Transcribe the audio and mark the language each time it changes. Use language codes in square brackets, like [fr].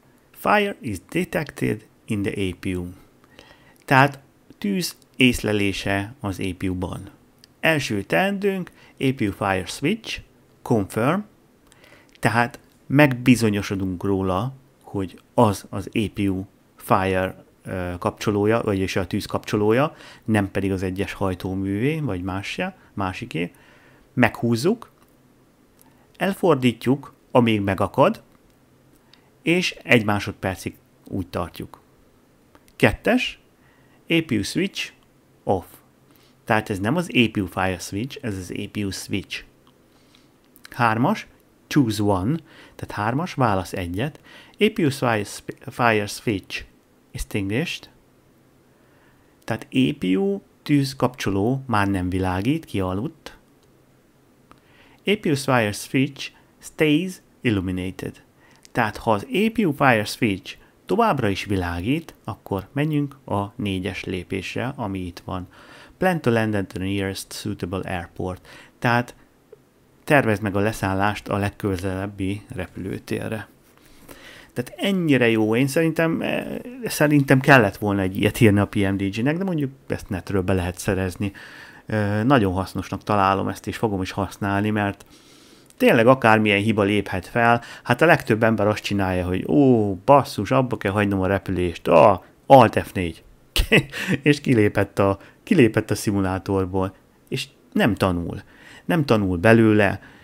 [en] Fire is detected in the APU. [hu] Tehát tűz észlelése az APU-ban. Első teendőnk [en] APU fire switch, confirm, [hu] tehát megbizonyosodunk róla, hogy az az APU fire kapcsolója, vagyis a tűz kapcsolója, nem pedig az egyes hajtóművé, vagy másiké. Meghúzzuk, elfordítjuk, amíg megakad, és egy másodpercig úgy tartjuk. 2-es, [en] APU switch off. [hu] Tehát ez nem az APU fire switch, ez az APU switch. 3-as, [en] choose one, [hu] tehát 3-as, válasz egyet. [en] APU fire switch extinguished. [hu] Tehát APU tűzkapcsoló már nem világít, kialudt. [en] APU fire switch stays illuminated. [hu] Tehát ha az APU fire switch továbbra is világít, akkor menjünk a 4-es lépésre, ami itt van. [en] Plan to land at the nearest suitable airport. [hu] Tehát tervezd meg a leszállást a legközelebbi repülőtérre. Tehát ennyire jó. Én szerintem kellett volna egy ilyet írni a PMDG-nek, de mondjuk ezt netről be lehet szerezni. Nagyon hasznosnak találom ezt, és fogom is használni, mert tényleg akármilyen hiba léphet fel, hát a legtöbb ember azt csinálja, hogy ó, basszus, abba kell hagynom a repülést, Alt F4, és kilépett a szimulátorból, és nem tanul belőle,